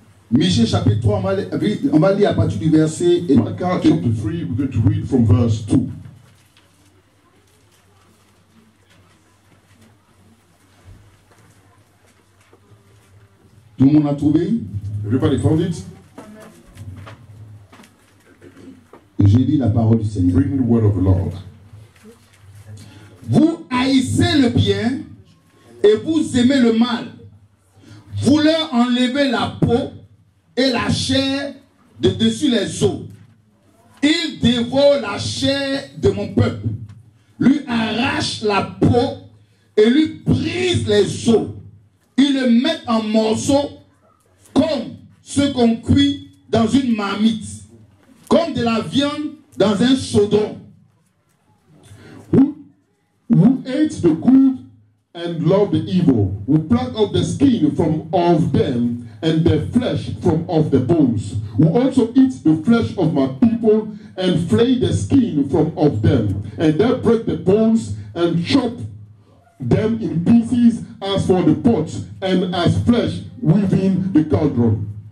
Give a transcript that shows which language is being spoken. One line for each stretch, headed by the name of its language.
French: Michée chapitre 3, on va lire à partir du verset.
English: Et Micah chapitre 3, we're going to read from verse 2.
French: Tout le monde a trouvé?
English: Everybody found it?
French: J'ai lu la parole du Seigneur.
English: Bring the word of the Lord.
French: Vous haïssez le bien et vous aimez le mal. Vous leur enlevez la peau et la chair de dessus les os. Il dévore la chair de mon peuple, lui arrache la peau et lui brise les os. Il le met en morceaux comme ce qu'on cuit dans une marmite, comme de la viande dans un chaudron.
English: Who hates the good and love the evil, who pluck out the skin from off them and the flesh from off the bones, who also eat the flesh of my people and flay the skin from off them, and they break the bones and chop them in pieces as for the pots and as flesh within the cauldron.